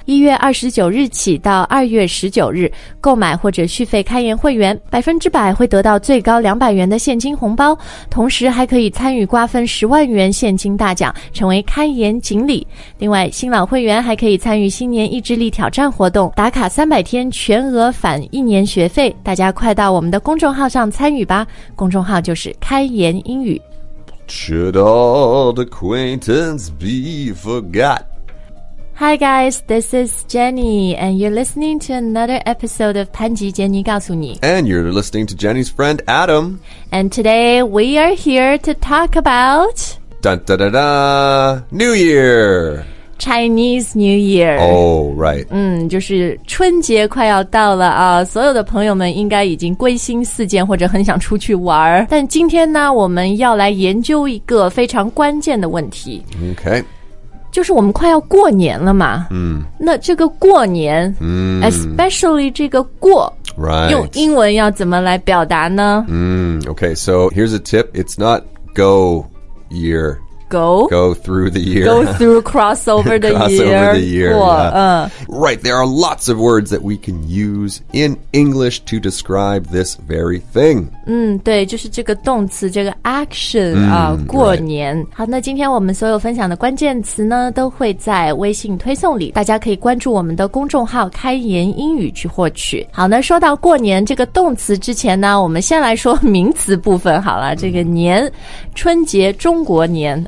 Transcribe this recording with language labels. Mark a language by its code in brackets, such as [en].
[zh] 1月29日起到2月19日，购买或者续费开言会员，100%会得到最高200元的现金红包，同时还可以参与瓜分10万元现金大奖，成为开言锦鲤。另外，新老会员还可以参与新年意志力挑战活动，打卡300天，全额返1年学费。大家快到我们的公众号上参与吧，公众号就是开言英语。 [en] Should old acquaintance be forgot? Hi guys, this is Jenny, and you're listening to another episode of 潘吉 Jenny 告诉你 And you're listening to Jenny's friend Adam. And today we are here to talk about... Dun-da-da-da! New Year! Chinese New Year. Oh, right. [zh] 就是春节快要到了啊，所有的朋友们应该已经归心似箭或者很想出去玩儿。但今天呢，我们要来研究一个非常关键的问题。 [en] Okay. [zh] 就是我们快要过年了嘛。那这个过年 [en] especially [zh] 这个过 [en] Right. [zh] 用英文要怎么来表达呢？ [en] Okay, so here's a tip. It's not go year. Go through the year. Go through crossover the crossover year. The year Right, there are lots of words that we can use in English to describe this very thing. [zh] 对，就是这个动词，这个 action 啊，过年。 [en] Right. [zh] 好，那今天我们所有分享的关键词呢，都会在微信推送里，大家可以关注我们的公众号开言英语去获取。好，那说到过年这个动词之前呢，我们先来说名词部分好了，这个年，春节，中国年。